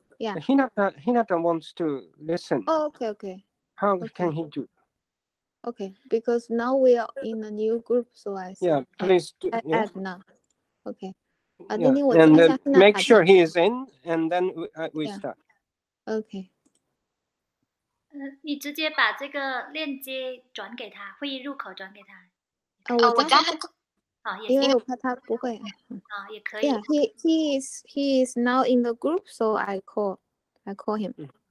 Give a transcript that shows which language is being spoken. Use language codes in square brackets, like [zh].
[en] Hinata wants to listen. Oh, okay. How can he do? Okay, because now we are in a new group, so I see. Yeah, please do. Add now. Okay. And make sure he is in, and then we start. Okay. [zh] 你直接把这个链接转给他，会议入口转给他。我教他，因为我怕他不会。也可以。 [en] He is now in the group, so I call him.